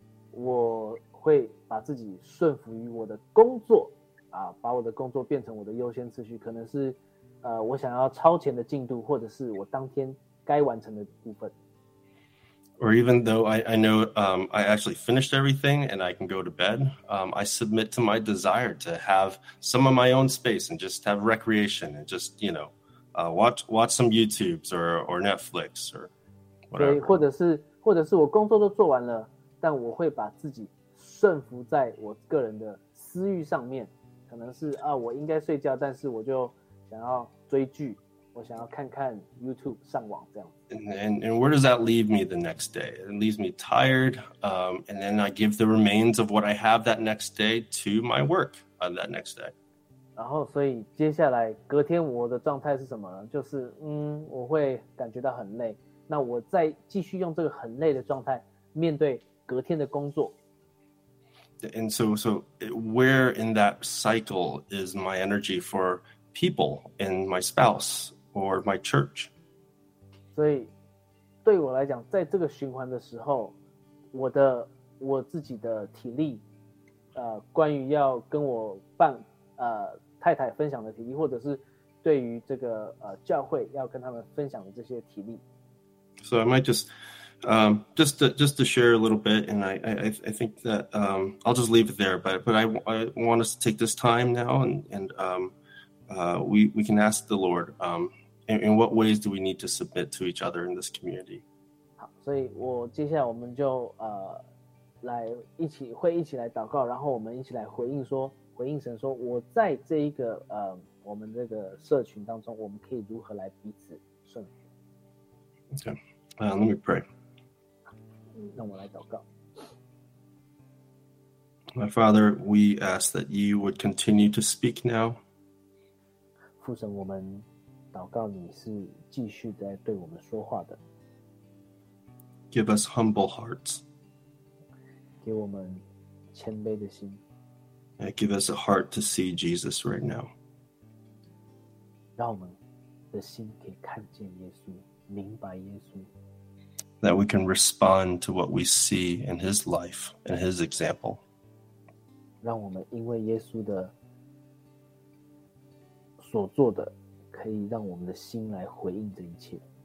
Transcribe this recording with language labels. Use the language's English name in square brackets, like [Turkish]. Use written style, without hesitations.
[Chinese] 我会把自己顺服于我的工作，把我的工作变成我的优先次序，可能是我想要超前的进度，或者是我当天该完成的部分。 [English] Or even though I know I actually finished everything and I can go to bed, I submit to my desire to have some of my own space and just have recreation and just, you know, watch some YouTubes or Netflix or whatever. [Chinese] 或者是我工作都做完了，但我会把自己顺服在我个人的私欲上面，可能是我应该睡觉，但是我就想要追剧。我想要看看 YouTube 上网这样。 [English] And where does that leave me the next day? It leaves me tired, and then I give the remains of what I have that next day to my work on that next day. [Chinese] 然后，所以接下来隔天我的状态是什么呢？就是我会感觉到很累。那我再继续用这个很累的状态面对隔天的工作。 [English] And so where in that cycle is my energy for people and my spouse? Or my church. [Chinese] 所以对我来讲，在这个循环的时候，我自己的体力，关于要跟我伴太太分享的体力，或者是对于这个教会要跟他们分享的这些体力。 [English] So I might just to share a little bit, and I think that I'll just leave it there. But I want us to take this time now, and we can ask the Lord. In what ways do we need to submit to each other in this community? [Chinese] 好，所以我接下来我们就来一起会一起来祷告，然后我们一起来回应神说，我在这一个我们这个社群当中，我们可以如何来彼此顺服。 [English] Okay, let me pray. [Chinese] 让我来祷告。 [English] My Father, we ask that you would continue to speak now. [Chinese] 父神，我们祷告你是继续在对我们说话的。 [English] Give us humble hearts. [Chinese] 给我们谦卑的心。 [English] And give us a heart to see Jesus right now. [Chinese] 让我们的心可以看见耶稣，明白耶稣。 [English] That we can respond to what we see in his life and his example. [Chinese] 让我们因为耶稣的所做的可以让我们的心来回应这一切。